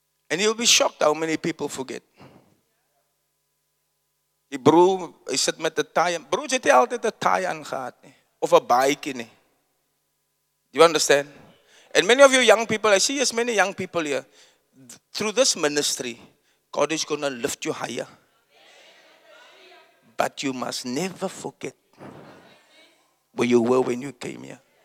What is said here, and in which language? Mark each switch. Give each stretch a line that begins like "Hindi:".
English: And you'll be shocked how many people forget.
Afrikaans: Die broer, hy sit met 'n taai. Broer, jy het altyd 'n taai aangehad nie. Of 'n baadjie nie.
English: Do you understand? And many of you young people, I see as many young people here. Through this ministry, God is going to lift you higher. But you must never forget where you were when you came here.